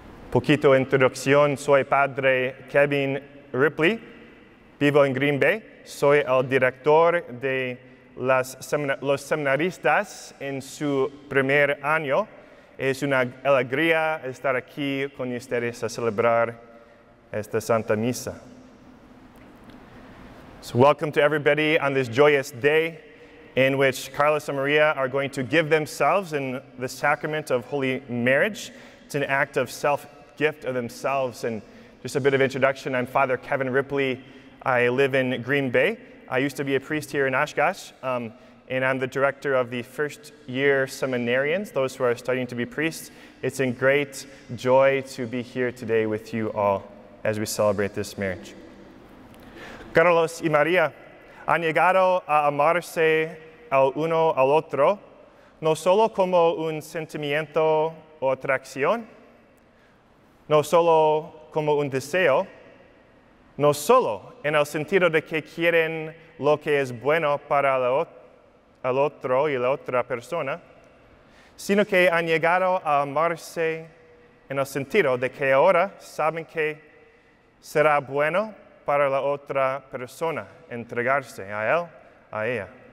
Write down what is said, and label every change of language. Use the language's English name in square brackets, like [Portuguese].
[Spanish] Poquito introducción, soy padre Kevin Ripley, vivo en Green Bay, soy el director de los seminaristas en su primer año. Es una alegría estar aquí con ustedes a celebrar esta Santa Misa. [English] So welcome to everybody on this joyous day in which Carlos and Maria are going to give themselves in the sacrament of holy marriage. It's an act of self-gift of themselves. And just a bit of introduction, I'm Father Kevin Ripley. I live in Green Bay. I used to be a priest here in Oshkosh, and I'm the director of the first year seminarians, those who are studying to be priests. It's a great joy to be here today with you all as we celebrate this marriage. [Spanish] Carlos y María han llegado a amarse el uno al otro, no solo como un sentimiento o atracción, no solo como un deseo, no solo en el sentido de que quieren lo que es bueno para el otro y la otra persona, sino que han llegado a amarse en el sentido de que ahora saben que será bueno para la otra persona entregarse a él, a ella.